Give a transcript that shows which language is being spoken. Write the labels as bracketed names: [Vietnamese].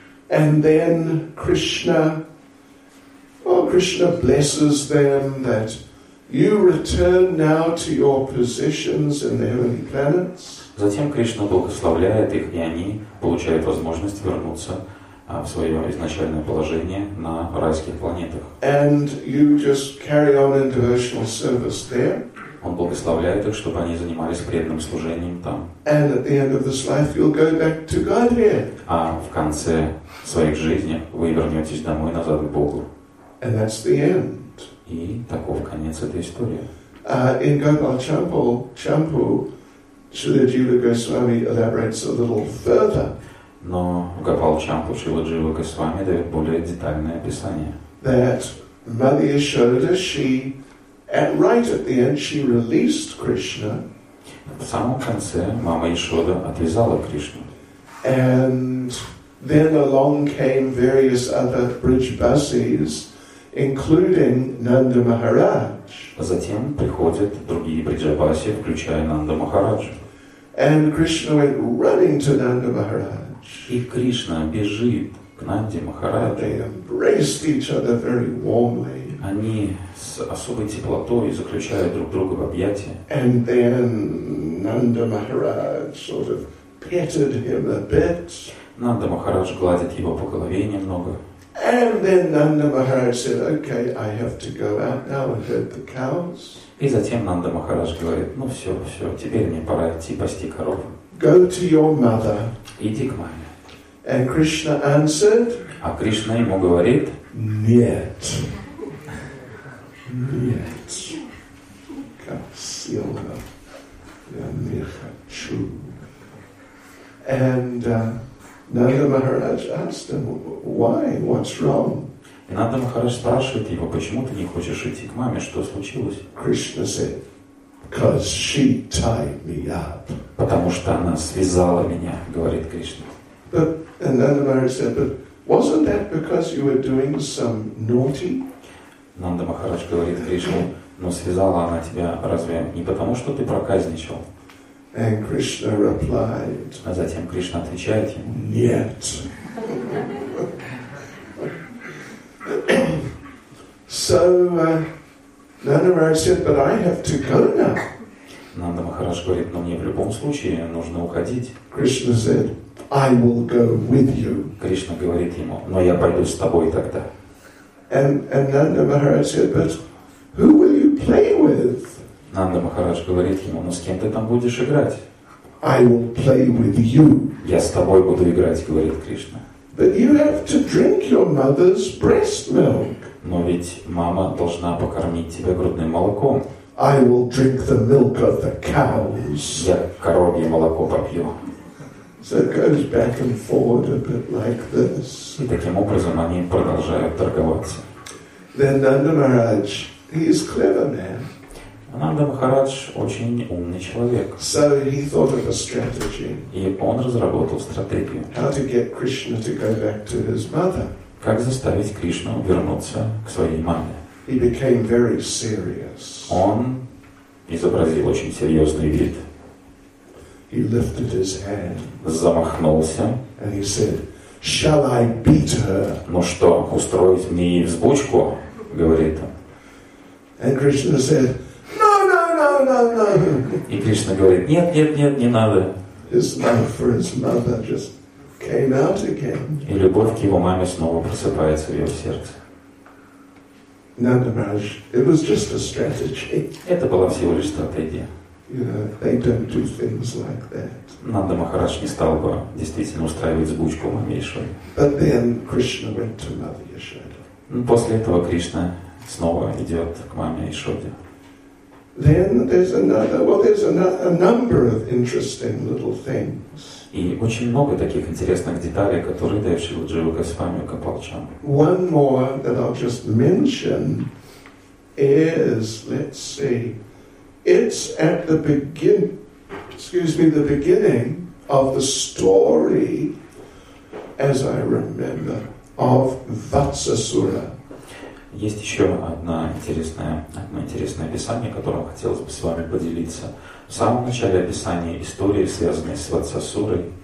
[English] And then Krishna blesses them that you return now to your positions in the heavenly planets. [Russian] Затем Кришна благословляет их, и они получают возможность вернуться в свое изначальное положение на райских планетах. [English] And you just carry on in devotional service there. [Russian] Он благословляет их, чтобы они занимались преданным служением там. [English] And at the end of this life you'll go back to Godhead. [Russian] А в конце своих жизней вы вернетесь домой назад к Богу. [English] And that's the end. [Russian] И таков конец этой истории. [English] In Gopal Champu, Srila Jiva Goswami elaborates a little further. [Russian] Но Гопал Чампу Шрила Джива Госвами дает более детальное описание. [English] That Mother Yashoda, right at the end she released Krishna. [Russian] В самом конце мама Ишода отвязала Кришну. [English] And then along came various other Brijbasis, including Nanda Maharaj. [Russian] Затем приходят другие Бриджабаси, включая Нанда Махараджа. [English] And Krishna went running to Nanda Maharaj. [Russian] И Кришна бежит к Нанде Махараджу. [English] They embraced each other very warmly. [Russian] Они с особой теплотой заключают друг друга в объятия. [English] And then Nanda Maharaj sort of petted him a bit. [Russian] Нанда Махарадж гладит его по голове немного. [English] And then Nanda Maharaj said, "Okay, I have to go out now and herd the cows." [Russian] И затем Нанда Махарадж говорит: "Ну все, все, теперь мне пора идти пасти коров." [English] Go to your mother. [Russian] Иди к маме. [English] And Krishna answered. [Russian] А Кришна ему говорит: Нет. Нет. Как сильно я не хочу. [English] And Nanda Maharaj asked him, why? What's wrong? [Russian] И Нанда Махарадж спрашивает его: почему ты не хочешь идти к маме? Что случилось? [English] Krishna said, because she tied me up. [Russian] Потому что она связала меня, говорит Кришна. [English] But Nanda Maharaj said, but wasn't that because you were doing some naughty? [Russian] Нанда Махарадж говорит Кришне, но связала она тебя разве не потому, что ты проказничал? [English] And Krishna replied. [Russian] А затем Кришна отвечает ему: нет. [English] So Nanda Maharaj said, but I have to go now. [Russian] Нанда Махарадж говорит: но мне в любом случае нужно уходить. [English] Krishna said, I will go with you. [Russian] Кришна говорит ему: но я пойду с тобой тогда. [English] And Nanda Maharaj said, but who will you play with? [Russian] Нанда Махарадж говорит ему: но с кем ты там будешь играть? [English] I will play with you. [Russian] Я с тобой буду играть, говорит Кришна. [English] But you have to drink your mother's breast milk. [Russian] Но ведь мама должна покормить тебя грудным молоком. [English] I will drink the milk of the cows. [Russian] Я коровье молоко попью. [English] So it goes back and forward a bit like this. [Russian] И таким образом они продолжают торговаться. [English] Then Nanda Maharaj, he is clever man. [Russian] Ананда Махарадж очень умный человек. [English] So he thought of a strategy. [Russian] И он разработал стратегию. [English] How to get Krishna to go back to his mother? [Russian] Как заставить Кришну вернуться к своей маме? [English] He became very serious. [Russian] Он изобразил очень серьезный вид. [English] He lifted his hand. [Russian] Замахнулся. [English] And he said, "Shall I beat her?" [Russian] Ну что, устроить мне ей взбучку? Говорит он. [English] And Krishna said, "No, no, no, no, no." [Russian] И Кришна говорит, нет, нет, нет, не надо. [English] His love for his mother just came out again. [Russian] И любовь к его маме снова просыпается в его сердце. [English] Nanda Maharaj, it was just a strategy. [Russian] Это была всего лишь стратегия. [English] You know, they don't do things like that. [Russian] Нанда Махарадж не стал бы действительно устраивать сбучку маме Яшоды. [English] But then Krishna went to Mother Yashoda. [Russian] После этого Кришна снова идет к маме Яшоде. [English] Then there's another. Well, there's a number of interesting little things. [Russian] И очень много таких интересных деталей, которые дает Шрила Джива Госвами Гопалчан. [English] One more that I'll just mention is, let's see. It's at the beginning of the story, as I remember, of Vatsasura. [Russian] Есть еще одно интересное описание, которым хотелось бы с вами поделиться. В самом начале описания истории, связанной с Ватсасурой.